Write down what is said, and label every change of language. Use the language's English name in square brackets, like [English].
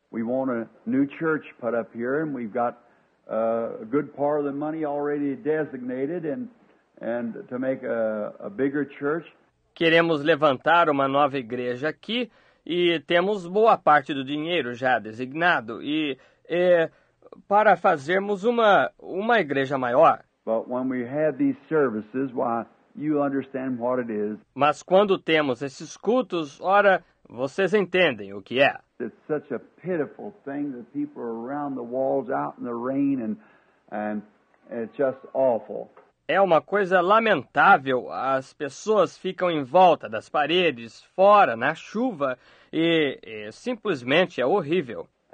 [English] We want a new church put up here, and we've got a good part of the money already designated and to make a bigger church. [Portuguese] Queremos levantar uma nova igreja aqui e temos boa parte do dinheiro já designado e para fazermos uma igreja maior. [English] But when we have these services, why, you understand what it is. [Portuguese] Mas quando temos esses cultos, ora, vocês entendem o que é. [English] It's such a pitiful thing that people are around the walls out in the rain and it's just awful. [Portuguese] É uma coisa lamentável, as pessoas ficam em volta das paredes, fora, na chuva, e simplesmente é horrível.